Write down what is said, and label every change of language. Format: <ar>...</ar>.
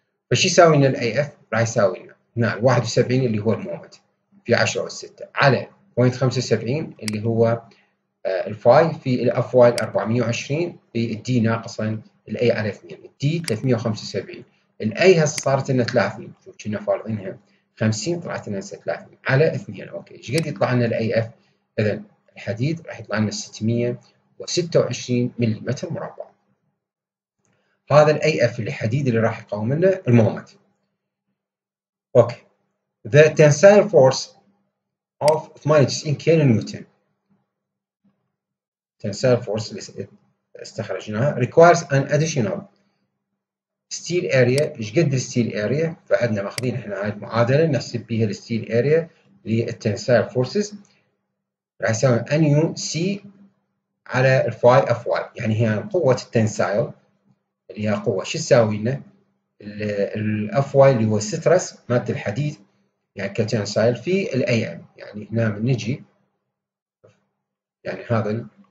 <ar>فشو يساوي لنا الاي اف؟ راح يساوي لنا هنا 71 اللي هو المومنت في 10 اس 6 على 0.75 اللي هو الفاي في الاف واي 420 في الدي ناقصا الاي على 2 الدي 375 الاي هسه صارت لنا 30 شوف كنا فارضينها 50 طلعت لنا 30 على 2 اوكي ايش قد يطلع لنا الاي اف؟ اذا الحديد راح يطلع لنا 626 ملم مربع. هذا الاي اف الحديد اللي راح يقاوم لنا المومنت.</ar> <en>okay the tensile force of 98 kilo newton tensile force</en> <ar>اللي استخرجناها</ar> <en>requires an additional steel area.</en> <ar>ايش قد الستيل اريا؟ فعندنا ماخذين احنا هاي المعادله نحسب بيها الستيل اريا للتنسايل فورسز راح يساوي ان يو سي على الفاي اف واي يعني هي قوه التنسايل اللي هي قوه شو تساوي لنا؟ الاف واي اللي هو سترس مالت الحديد يعني كتنسايل في الاي ام يعني هنا من نجي يعني هذا</ar>